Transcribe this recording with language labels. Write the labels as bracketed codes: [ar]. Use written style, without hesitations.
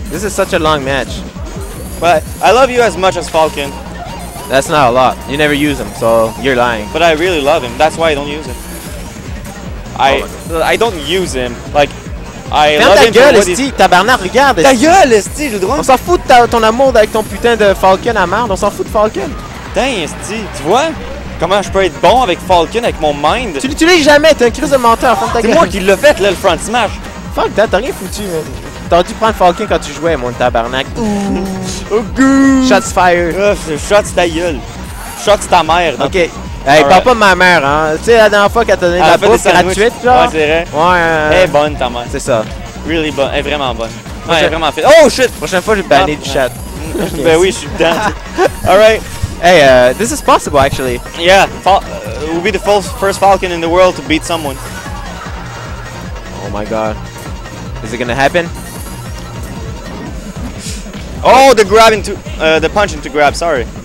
[en] This is such a long match. But I love you as much as Falcon. That's not a lot. You never use him, so you're lying. But I really love him. That's why I don't use him. I don't use him. Like, I love [fr] ta gueule, esti, tabarnak, regarde, esti. Ta gueule, esti, je drôle. On s'en fout de ton amour avec ton putain de Falcon à merde, on s'en fout de Falcon. Putain, esti, tu vois? Comment je peux être bon avec Falcon, avec mon mind? Tu l'utilises jamais, t'es un crise de menteur, ferme ta gueule. C'est moi qui l'ai fait, là, le front smash. [en] Fuck that, [fr] t'as rien foutu, man. T'as dû prendre Falcon quand tu jouais, mon tabarnak. Oh, goo! [en] Shots fire. [fr] Shots ta gueule. Shots ta mère. Ok. Hey, parle pas de ma mère, hein. Tu sais, la dernière fois qu'elle t'a donné de la bouffe gratuite, là. Ouais, c'est vrai. Ouais. Elle est bonne, ta mère. C'est ça. Really bonne. Elle est vraiment bonne. Ouais, elle est vraiment fait. [en] Oh, shit! [fr] Prochaine fois, je vais banner du chat. Okay. Ben oui, je suis dedans. Alright. [en] Hey, this is possible, actually. Yeah. It will be the first Falcon in the world to beat someone. Oh my god. Is it gonna happen? Oh, the grab into... the punch into grab, sorry.